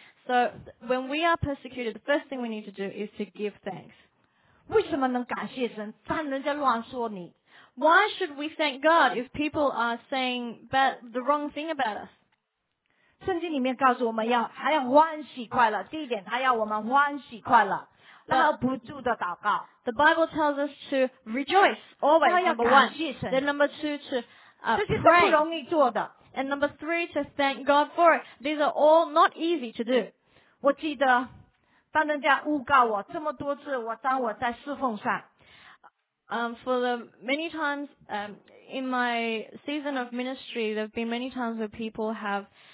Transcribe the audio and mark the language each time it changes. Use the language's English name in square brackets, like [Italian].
[English] So, when we are persecuted, the first thing we need to do is to give thanks. [Chinese] 为什么能感谢神？当人家乱说你。 [English] Why should we thank God if people are saying the wrong thing about us? [Chinese] 圣经里面告诉我们还要欢喜快乐。第一点，他要我们欢喜快乐，然后不住的祷告。 [English] The Bible tells us to rejoice always. [Chinese] 他要感谢神。 [English] Then number two to pray. [Chinese] 这些是不容易做的。 [English] And number three to thank God for it. These are all not easy to do. [Chinese] 我记得当人家诬告我这么多次，我当我在侍奉上。 [English] For the many times in my season of ministry, there have been many times where people have